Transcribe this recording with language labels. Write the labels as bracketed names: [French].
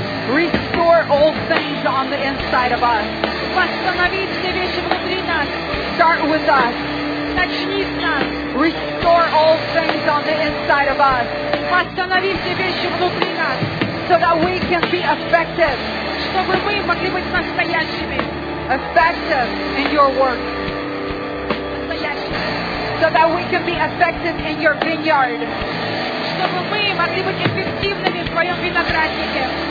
[English] Restore old things on the inside of us. [Russian] Восстанови все вещи внутри нас. [English] Start with us. [Russian] Начни с нас. [English] Restore old things on the inside of us. [Russian] Восстанови все вещи внутри нас. [English] So that we can be effective. [Russian] Чтобы мы могли быть настоящими. [English] Effective in your work. [Russian] Настоящими. [English] So that we can be effective in your vineyard. [Russian] Чтобы мы могли быть эффективными в своем винограднике.